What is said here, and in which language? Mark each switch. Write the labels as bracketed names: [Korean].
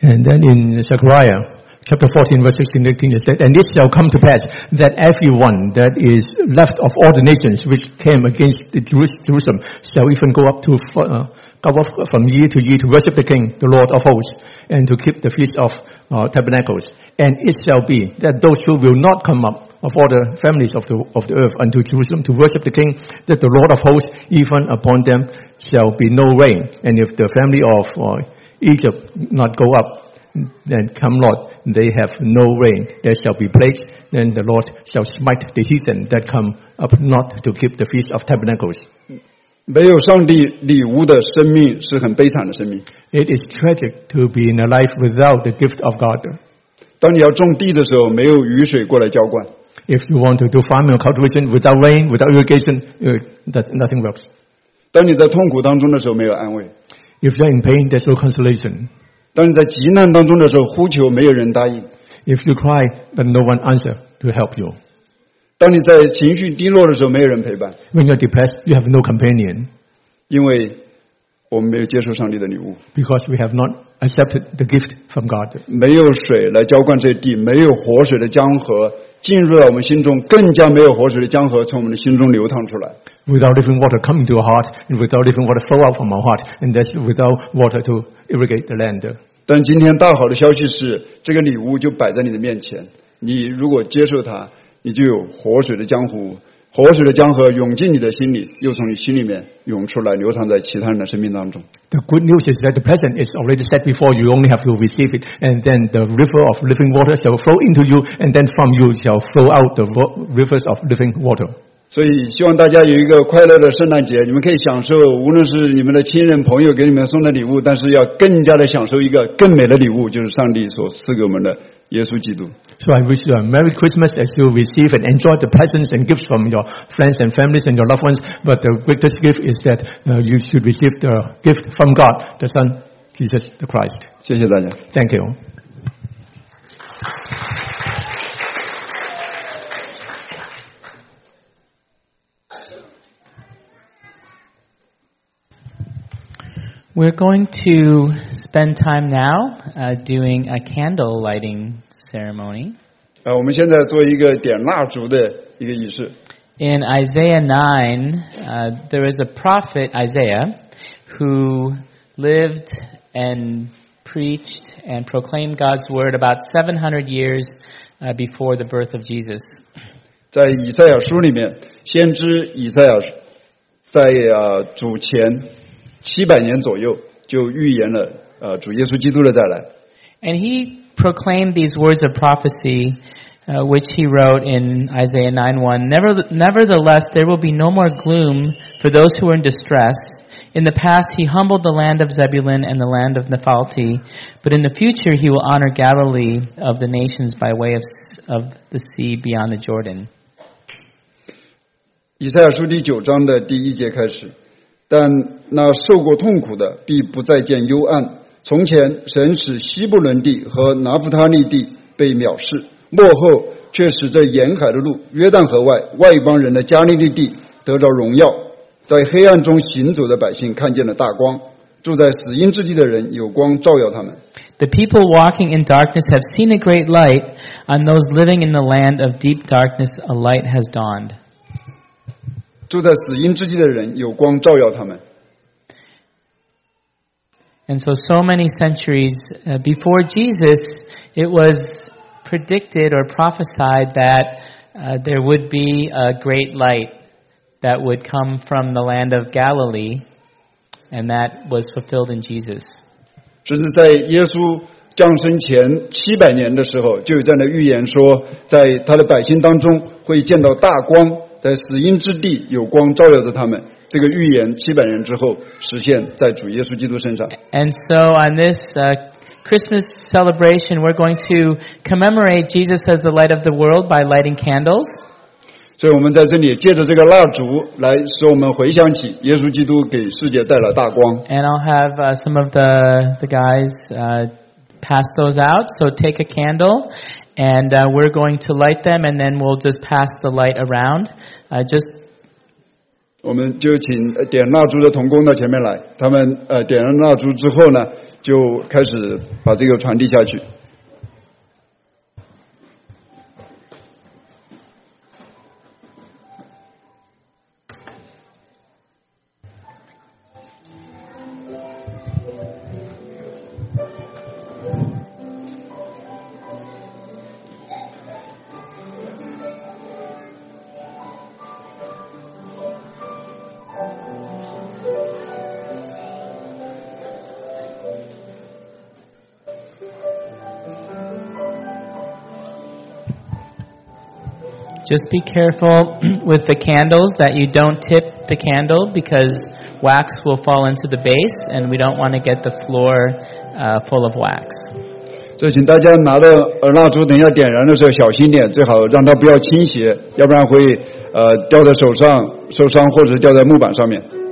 [English] And then in Zechariah. Chapter 14, verse 16 and 18, it said, And it shall come to pass that everyone that is left of all the nations which came against Jerusalem shall even go up to, go up from year to year to worship the King, the Lord of hosts, and to keep the feast of tabernacles. And it shall be that those who will not come up of all the families of the earth unto Jerusalem to worship the King, that the Lord of hosts, even upon them, shall be no rain. And if the family of Egypt not go up,Then come Lord, they have no rain. There shall be plagues. Then the Lord shall smite the heathen that come up not to keep the feast of tabernacles. [Chinese] 没有上帝礼物的生命是很悲惨的生命。 [English] It is tragic to be in a life without the gift of God. [Chinese] 当你要种地的时候，没有雨水过来浇灌。 [English] If you want to do farming or cultivation without rain, without irrigation, nothing works. [Chinese] 当你在痛苦当中的时候，没有安慰。 [English] If you're in pain, there's no consolation. [Chinese] 当你在急难当中的时候呼求没有人答应。 [English] If you cry, but no one answer to help you. [Chinese] 当你在情绪低落的时候没有人陪伴。 [English] When you're depressed, you have no companion. [Chinese] 因为我们没有接受上帝的礼物。 [English] Because we have not accepted the gift from God. [Chinese] 没有水来浇灌这地，没有活水的江河进入了我们心中，更加没有活水的江河从我们的心中流淌出来。 [English] Without living water coming to our heart, and without living water flow out from our heart, and that's without water to irrigate the land. [Chinese] 但今天大好的消息是，这个礼物就摆在你的面前，你如果接受它，你就有活水的江湖，活水的江河涌进你的心里，又从你心里面涌出来，流淌在其他人的生命当中。 [English] The good news is that the present is already set before you. You only have to receive it, and then the river of living water shall flow into you, and then from you shall flow out the rivers of living water. [Chinese] 所以希望大家有一个快乐的圣诞节，你们可以享受无论是你们的亲人朋友给你们送的礼物，但是要更加的享受一个更美的礼物，就是上帝所赐给我们的耶稣基督。 [English] So I wish you a Merry Christmas as you receive and enjoy the presents and gifts from your friends and families and your loved ones. But the greatest gift is that you should receive the gift from God, the Son, Jesus the Christ. [Chinese] 谢谢大家。 [English] Thank you. We're going to spend time now doing a candle lighting ceremony. [Chinese] 我们现在做一个点蜡烛的一个仪式。 [English] In Isaiah 9, there is a prophet Isaiah who lived and preached and proclaimed God's word about 700 years before the birth of Jesus. [Chinese] 在以赛亚书里面，先知以赛亚在主前700年左右就预言了主耶稣基督的再来。 [English] And he proclaimed these words of prophecy, which he wrote in Isaiah 9:1. Nevertheless, there will be no more gloom for those who are in distress. In the past, he humbled the land of Zebulun and the land of Naphtali, but in the future, he will honor Galilee of the nations by way of the sea beyond the Jordan. [Chinese] 以赛亚书第九章的第一节开始，但那受过痛苦的必不再见幽暗。从前神使西布伦地和拿弗他利地被藐视，末后却使这沿海的路约旦河外外邦人的加利利地得着荣耀，在黑暗中行走的百姓看见了大光，住在死荫之地的人有光照耀他们。 [English] The people walking in darkness have seen a great light. On those living in the land of deep darkness a light has dawned. [Chinese] 住在死荫之地的人有光照耀他们。 [English] And so many centuries before Jesus, it was predicted or prophesied that there would be a great light that would come from the land of Galilee, and that was fulfilled in Jesus. [Chinese] 甚至在耶稣降生前700年的时候，就有这样的预言说，在他的百姓当中会见到大光，在死荫之地有光照耀着他们。这个预言700年之后实现在主耶稣基督身上。 [English] And so on this Christmas celebration, we're going to commemorate Jesus as the light of the world by lighting candles. [Chinese] 所以我们在这里借着这个蜡烛来使我们回想起耶稣基督给世界带来大光。 [English] And I'll have some of the guys pass those out. So take a candle and we're going to light them and then we'll just pass the light around. Just [Chinese] 我们就请点蜡烛的同工到前面来，他们点了蜡烛之后呢，就开始把这个传递下去。 [English] Just be careful with the candles that you don't tip the candle because wax will fall into the base and we don't want to get the floor full of wax. [Chinese] So, 请大家拿着蜡烛等一下点燃的时候小心点，最好让它不要倾斜，要不然会掉在手上受伤或者掉在木板上面。